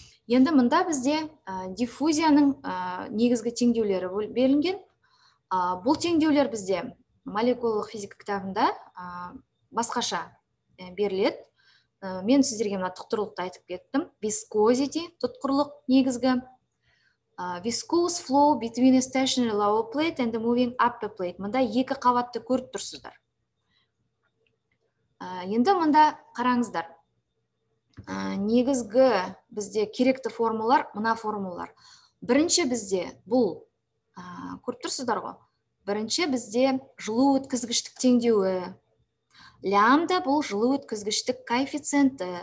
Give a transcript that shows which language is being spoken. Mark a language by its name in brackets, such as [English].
[Kazakh] Енді мұнда бізде диффузияның негізгі теңдеулері берілген. Бұл теңдеулер бізде молекулалық физика кітабында басқаша беріледі. Мен сіздерге мына тұтқырлықты айтып кеттім. Viscosity тұтқырлық негізгі. [English] Viscous flow between a stationary lower plate and a moving upper plate. [Kazakh] Мында екі қабатты көріп тұрсыздар. Енді мында қараңыздар. Негізгі бізде керекті формулалар, мына формулалар. Бірінші бізде бұл көріп тұрсыздар ғой. Бірінші бізде жылу өткізгіштік теңдеуі. Лямбда бұл жылу өткізгіштік коэффициенті.